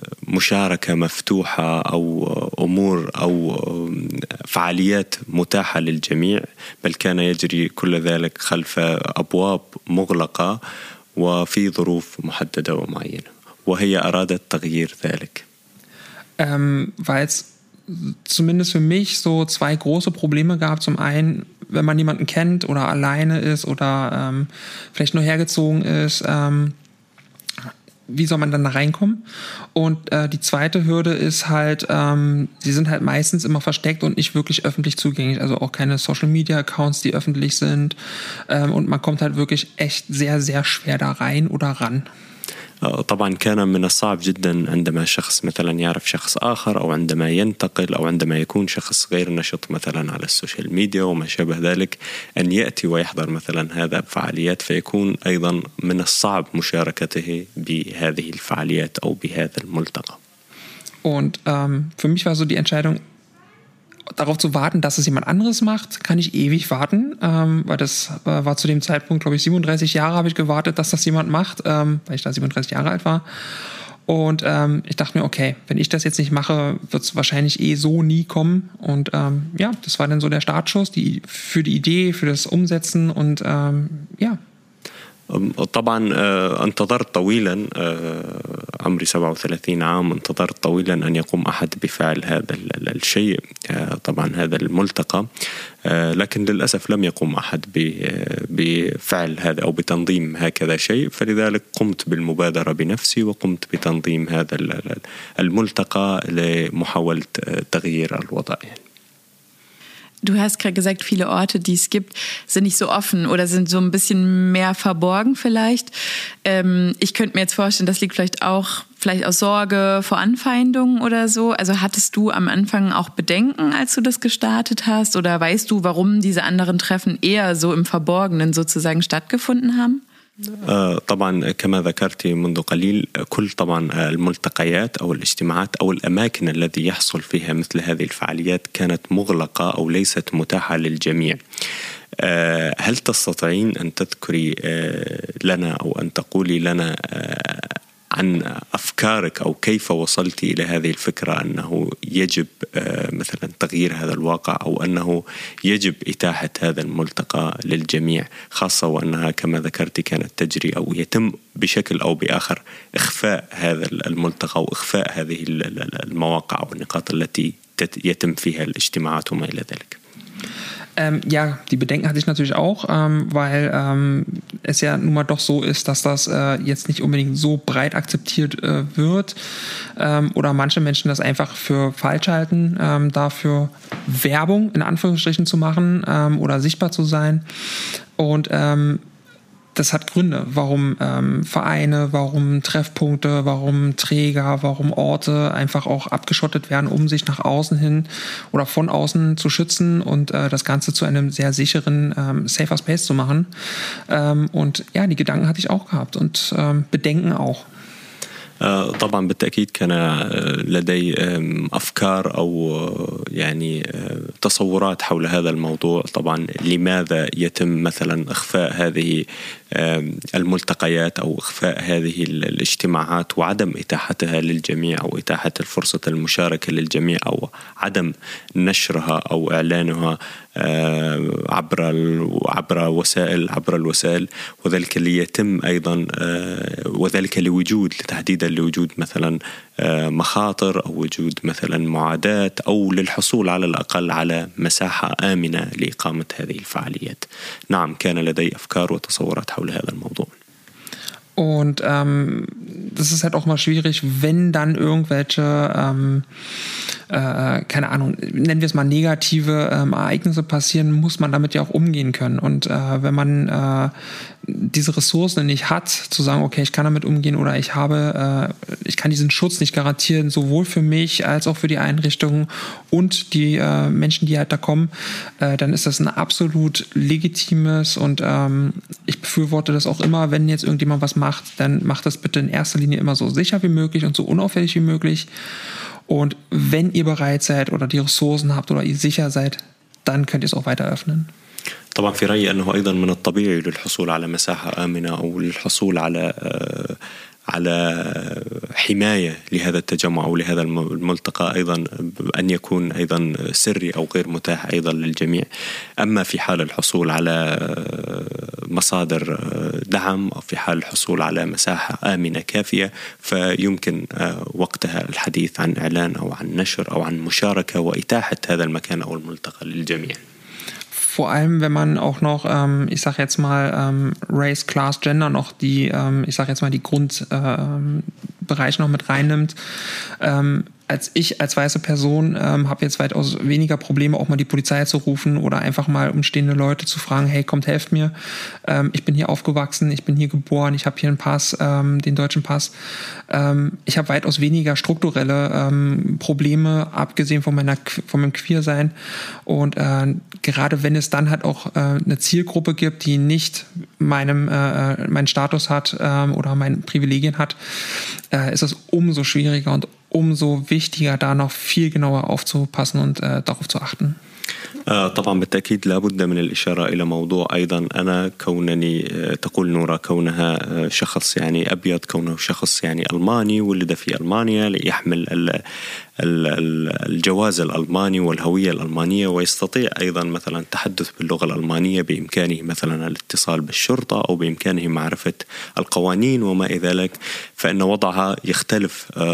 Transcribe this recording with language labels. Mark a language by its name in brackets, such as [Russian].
[Arabic] مشاركة مفتوحة أو أمور أو فعاليات متاحة للجميع، بل كان يجري كل ذلك خلف أبواب مغلقة وفي ظروف محددة ومعينة، وهي أرادت تغيير ذلك. [German] Weil es zumindest für mich so zwei große Probleme gab. Zum einen, wenn man jemanden kennt oder alleine ist oder vielleicht nur hergezogen ist, wie soll man dann da reinkommen? Und die zweite Hürde ist halt, sie sind halt meistens immer versteckt und nicht wirklich öffentlich zugänglich. Also auch keine Social-Media-Accounts, die öffentlich sind. Und man kommt halt wirklich echt sehr, sehr schwer da rein oder ran. [Arabic] طبعا كان من الصعب جدا عندما شخص مثلا يعرف شخص آخر أو عندما ينتقل أو عندما يكون شخص غير نشط مثلا على السوشيال ميديا وما شابه ذلك أن يأتي ويحضر مثلا هذا الفعاليات، فيكون أيضا من الصعب مشاركته بهذه الفعاليات أو بهذا الملتقى. [German] Und für mich war so die Entscheidung darauf zu warten, dass es jemand anderes macht, kann ich ewig warten, weil das war zu dem Zeitpunkt, glaube ich, 37 Jahre habe ich gewartet, dass das jemand macht, weil ich da 37 Jahre alt war. Und ich dachte mir, okay, wenn ich das jetzt nicht mache, wird es wahrscheinlich eh so nie kommen. Und ja, das war dann so der Startschuss für die Idee, für das Umsetzen und ja. [Arabic] طبعا انتظرت طويلا، عمري 37 عام، انتظرت طويلا أن يقوم أحد بفعل هذا الشيء، طبعا هذا الملتقى، لكن للأسف لم يقوم أحد بفعل هذا أو بتنظيم هكذا شيء، فلذلك قمت بالمبادرة بنفسي وقمت بتنظيم هذا الملتقى لمحاولة تغيير الوضع. [German] Du hast gerade gesagt, viele Orte, die es gibt, sind nicht so offen oder sind so ein bisschen mehr verborgen vielleicht. Ich könnte mir jetzt vorstellen, das liegt vielleicht auch vielleicht aus Sorge vor Anfeindungen oder so. Also hattest du am Anfang auch Bedenken, als du das gestartet hast? Oder weißt du, warum diese anderen Treffen eher so im Verborgenen sozusagen stattgefunden haben? [Arabic] طبعا كما ذكرت منذ قليل، كل طبعا الملتقيات أو الاجتماعات أو الأماكن التي يحصل فيها مثل هذه الفعاليات كانت مغلقة أو ليست متاحة للجميع. هل تستطيعين أن تذكري لنا أو أن تقولي لنا عن أفكارك أو كيف وصلت إلى هذه الفكرة أنه يجب مثلا تغيير هذا الواقع أو أنه يجب إتاحة هذا الملتقى للجميع، خاصة وأنها كما ذكرت كانت تجري أو يتم بشكل أو بآخر إخفاء هذا الملتقى وإخفاء هذه المواقع أو النقاط التي يتم فيها الاجتماعات وما إلى ذلك؟ [German] Ja, die Bedenken hatte ich natürlich auch, weil es ja nun mal doch so ist, dass das jetzt nicht unbedingt so breit akzeptiert wird oder manche Menschen das einfach für falsch halten, dafür Werbung in Anführungsstrichen zu machen oder sichtbar zu sein. Und das hat Gründe, warum Vereine, warum Treffpunkte, warum Träger, warum Orte einfach auch abgeschottet werden, um sich nach außen hin oder von außen zu schützen und das Ganze zu einem sehr sicheren, safer Space zu machen. Und ja, die Gedanken hatte ich auch gehabt und Bedenken auch. [Arabic] طبعا بالتأكيد كان لدي أفكار أو يعني تصورات حول هذا الموضوع، طبعا لماذا يتم مثلا إخفاء هذه الملتقيات أو إخفاء هذه الاجتماعات وعدم إتاحتها للجميع أو إتاحة الفرصة المشاركة للجميع أو عدم نشرها أو إعلانها عبر الوسائل، وذلك ليتم أيضا وذلك لوجود تحديدا لوجود مثلا مخاطر أو وجود مثلا معادات أو للحصول على الأقل على مساحة آمنة لإقامة هذه الفعاليات. نعم، كان لدي أفكار وتصورات حول هذا الموضوع. [German] Und das ist halt auch mal schwierig, wenn dann irgendwelche, keine Ahnung, nennen wir es mal negative Ereignisse passieren, muss man damit ja auch umgehen können. Und wenn man diese Ressourcen nicht hat, zu sagen, okay, ich kann damit umgehen oder ich kann diesen Schutz nicht garantieren, sowohl für mich als auch für die Einrichtungen und die Menschen, die halt da kommen, dann ist das ein absolut legitimes und ich befürworte das auch immer, wenn jetzt irgendjemand was macht, dann macht das bitte in erster Linie immer so sicher wie möglich und so unauffällig wie möglich. Und wenn ihr bereit seid oder die Ressourcen habt oder ihr sicher seid, dann könnt ihr es auch weiter öffnen. [Arabic] طبعا في رأيي أنه أيضا من الطبيعي للحصول على مساحة آمنة أو للحصول على على حماية لهذا التجمع أو لهذا الملتقى أيضا أن يكون أيضا سري أو غير متاح أيضا للجميع. أما في حال الحصول على مصادر دعم أو في حال الحصول على مساحة آمنة كافية فيمكن وقتها الحديث عن إعلان أو عن نشر أو عن مشاركة وإتاحة هذا المكان أو الملتقى للجميع. [German] Vor allem, wenn man auch noch, ich sag jetzt mal, [English] Race, Class, Gender [German] noch die, ich sag jetzt mal, die Grundbereiche noch mit reinnimmt. Als ich, als weiße Person, habe jetzt weitaus weniger Probleme, auch mal die Polizei zu rufen oder einfach mal umstehende Leute zu fragen, hey, kommt, helft mir. Ich bin hier aufgewachsen, ich bin hier geboren, ich habe hier einen Pass, den deutschen Pass. Ich habe weitaus weniger strukturelle Probleme, abgesehen von meiner, von meinem Queersein. Und gerade wenn es dann halt auch eine Zielgruppe gibt, die nicht meinem, meinen Status hat oder meine Privilegien hat, ist das umso schwieriger und umso wichtiger, da noch viel genauer aufzupassen und darauf zu achten. [Arabic] طبعا بالتأكيد لابد من الإشارة إلى موضوع أيضا أنا كونني تقول نورا كونها شخص يعني أبيض كونه شخص يعني ألماني ولد في ألمانيا ليحمل الجواز الألماني والهوية الألمانية ويستطيع أيضا مثلا التحدث باللغة الألمانية بإمكانه مثلا الاتصال بالشرطة أو بإمكانه معرفة القوانين وما إلى ذلك فإن وضعها يختلف